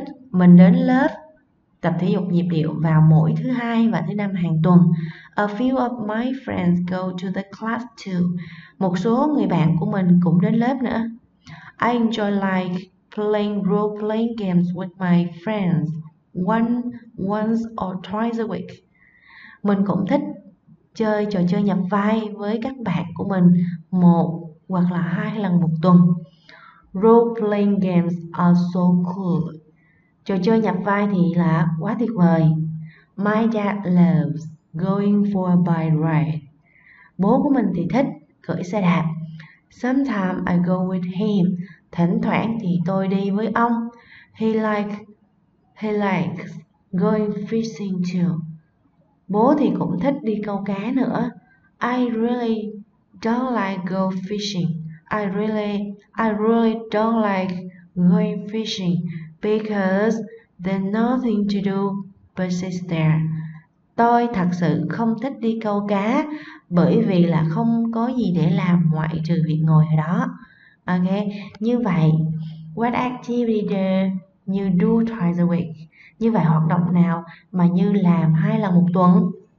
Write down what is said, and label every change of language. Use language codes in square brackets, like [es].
[vi] Mình đến lớp tập thể dục nhịp điệu vào mỗi thứ hai và thứ năm hàng tuần. [en] A few of my friends go to the class too. [vi] Một số người bạn của mình cũng đến lớp nữa. [en] I enjoy like playing role playing games with my friends once or twice a week. [vi] Mình cũng thích chơi trò chơi nhập vai với các bạn của mình một hoặc là hai lần một tuần. [en] Role playing games are so cool. [vi] Trò chơi nhập vai thì là quá tuyệt vời. [en] My dad loves going for a bike ride. [vi] Bố của mình thì thích cưỡi xe đạp. [en] Sometimes I go with him. [vi] Thỉnh thoảng thì tôi đi với ông. [en] He likes going fishing too. [vi] Bố thì cũng thích đi câu cá nữa. [en] I really don't like go fishing. I really don't like going fishing because there's nothing to do but sit there. [vi] Tôi thật sự không thích đi câu cá bởi vì là không có gì để làm ngoại trừ việc ngồi ở đó. [en] Ok, [vi] như vậy, [en] what activity do you do twice a week? [vi] Như vậy hoạt động nào mà Như làm hai lần một tuần?